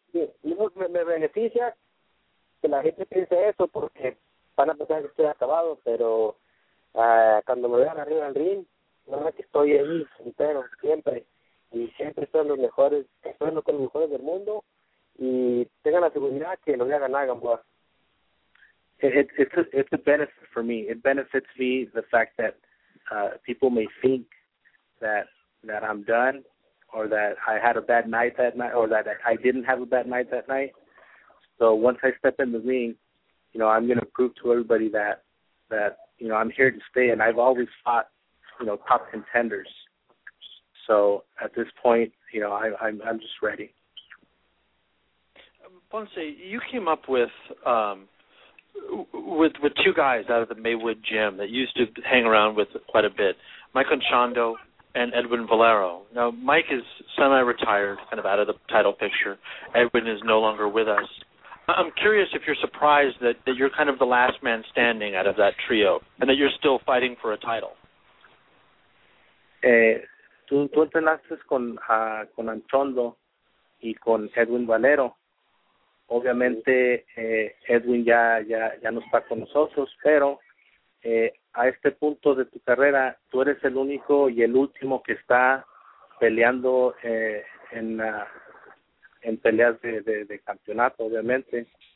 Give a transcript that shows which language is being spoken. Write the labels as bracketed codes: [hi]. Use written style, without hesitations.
[es] Sí, me beneficia que la gente piense eso porque van a pensar que estoy acabado, pero cuando me vean arriba del ring, no es que estoy ahí entero, siempre. Y siempre son los mejores, son los mejores del mundo. Y tengan la seguridad que lo voy a ganar, Gamboa. [en] It's a benefit for me. It benefits me the fact that people may think that I'm done, or that I had a bad night that night, or that I didn't have a bad night that night. So once I step in the ring, you know, I'm going to prove to everybody that you know, I'm here to stay, and I've always fought, you know, top contenders. So at this point, you know, I'm just ready. Ponce, you came up with two guys out of the Maywood gym that you used to hang around with quite a bit, Mike Conchando and Edwin Valero. Now, Mike is semi-retired, kind of out of the title picture. Edwin is no longer with us. I'm curious if you're surprised that you're kind of the last man standing out of that trio and that you're still fighting for a title. [es] Tú entrenaste con Anchondo y con Edwin Valero. Obviamente, Edwin ya no está con nosotros, pero... a este punto de tu carrera, tú eres el único y el último que está peleando en peleas de campeonato, obviamente.